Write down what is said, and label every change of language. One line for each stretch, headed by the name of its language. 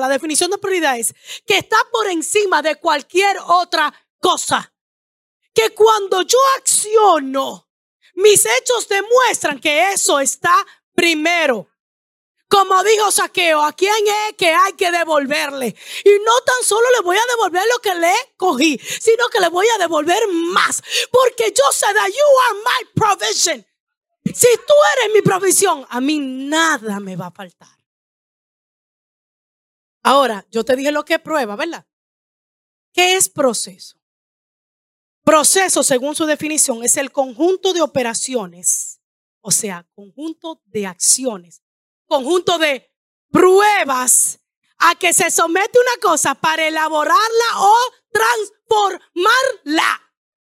Spanish: La definición de prioridad es que está por encima de cualquier otra cosa. Que cuando yo acciono Mis hechos demuestran que eso está primero. Como dijo Zaqueo, ¿a quién es que hay que devolverle? Y no tan solo le voy a devolver lo que le cogí, sino que le voy a devolver más. Porque yo sé
English: that you are my provision.
Spanish: Si tú eres mi provisión, a mí nada me va a faltar. Ahora, yo te dije lo que es prueba, ¿verdad? ¿Qué es proceso? Proceso, según su definición, es el conjunto de operaciones, o sea, conjunto de acciones, conjunto de pruebas a que se somete una cosa para elaborarla o transformarla.